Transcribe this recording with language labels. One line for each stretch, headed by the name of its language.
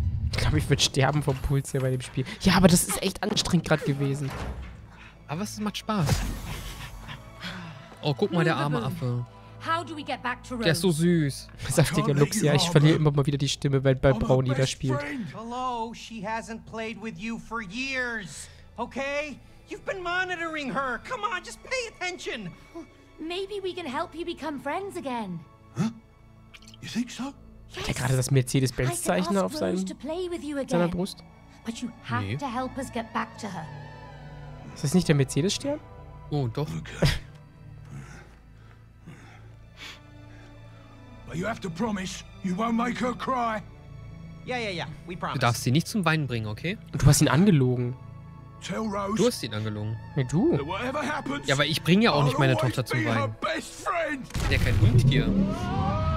German: Ich glaube, ich würde sterben vom Puls hier bei dem Spiel. Ja, aber das ist echt anstrengend gerade gewesen. Aber es macht Spaß. Oh, guck mal, der arme Affe.
English: How do we get back to Rome?
German: Der ist so süß. Saftiger Lux, ja, ich verliere immer mal wieder die Stimme, weil bei Brauni da spielt.
English: Hello, she hasn't played with you for years. Okay? You've been monitoring her. Come on, just pay attention. Maybe we can help you become friends again. Huh? You think so?
German: Hat er gerade das Mercedes-Benz-Zeichen auf seiner Brust?
English: But you have to help us get back to her.
German: Ist das nicht der Mercedes-Stern? Oh, doch. Okay.
English: You have to promise, you won't make her cry. Yeah, yeah, yeah. We promise.
German: Du darfst sie nicht zum Weinen bringen, okay? Du hast ihn angelogen.
English: Tell
German: Rose, du hast ihn angelogen. Nee, du. Ja, aber ich bringe ja auch nicht meine Tochter zum Weinen. Der ist ja kein Hund hier.